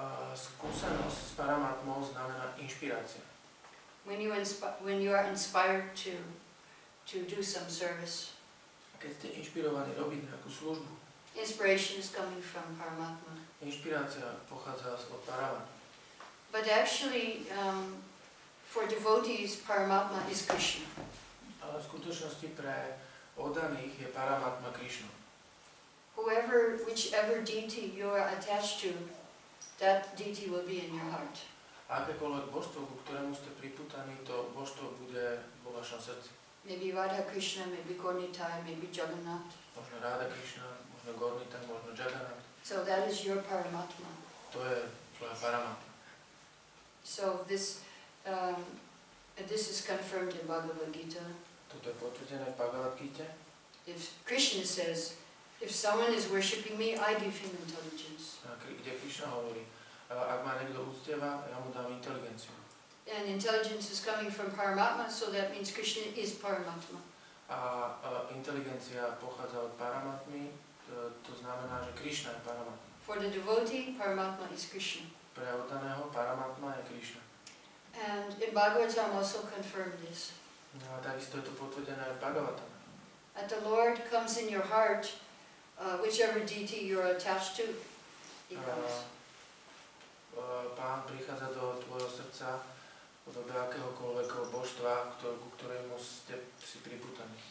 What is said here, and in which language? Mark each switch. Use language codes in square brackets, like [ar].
[sk] Skúsenosť s Paramatmou znamená inšpirácia. [en] When you are inspired to do some service. [sk] Keď ste inšpirovaní robiť nejakú službu. [en] Inspiration is coming from Paramatma. [sk] Inšpirácia pochádza od Paramatmy. [en] But actually for devotees, Paramatma is Krishna. [sk] Ale v skutočnosti pre oddaných je Paramatma Krishna. [en] Whichever deity you are attached to, that deity will be in your heart. [sk] Akékoľvek božstvo, ku ktorému ste pripútaní, to božstvo bude vo vašom srdci. [en] Maybe Radha Krishna, maybe Gornita, maybe Jagannath. [sk] Možno Radha Krishna, možno Gornita, možno Jagannath. [en] So that is your Paramatma. [sk] To je tvoja Paramatma. [en] So this is confirmed in Bhagavad Gita. [sk] Toto je potvrdené v Bhagavad Gita. [en] If Krishna says, if someone is worshipping me, I give him intelligence. [sk] Kde Krishna hovorí, ak ma niekto uctieva, ja mu dám inteligenciu. [en] And intelligence is coming from Paramatma, so that means Krishna is Paramatma. [sk] A inteligencia pochádza od Paramatmy, to znamená, že Krishna je Paramatma. [en] For the devotee, Paramatma is Krishna. [sk] Pre oddaného Paramatma je Krishna. [en] And in Bhagavatam also confirmed this. [sk] No, takisto je to potvrdené aj v Bhagavatam. [en] That the Lord comes in your heart, whichever deity you are attached to, he comes. [sk] Pán prichádza do tvojho srdca, do akéhokoľvek božstva, ku ktorému ste si pripútaní.